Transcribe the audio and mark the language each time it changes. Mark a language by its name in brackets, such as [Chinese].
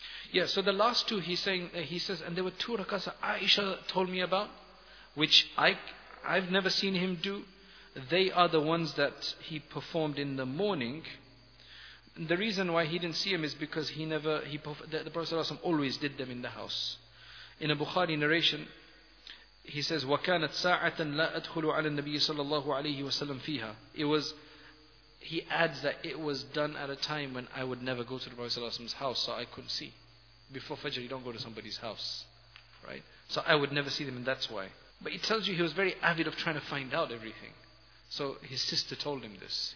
[English] Yeah, so the last two, he says, and there were 2 rakats that Aisha told me about, which I've never seen him do. they are the ones that he performed in the morning. The reason why he didn't see them is because the Prophet ﷺ always did them in the house. In a Bukhari narration, he says, [Arabic] وَكَانَتْ سَاعَةً لَا أَدْخُلُ عَلَى النَّبِيِّ صَلَى اللَّهُ عَلَيْهِ وَسَلَّمْ فِيهَا. [English] He adds that it was done at a time when I would never go to the Prophet's house, so I couldn't see. Before Fajr, you don't go to somebody's house, right? So I would never see them, and that's why. But it tells you he was very avid of trying to find out everything. So his sister told him this.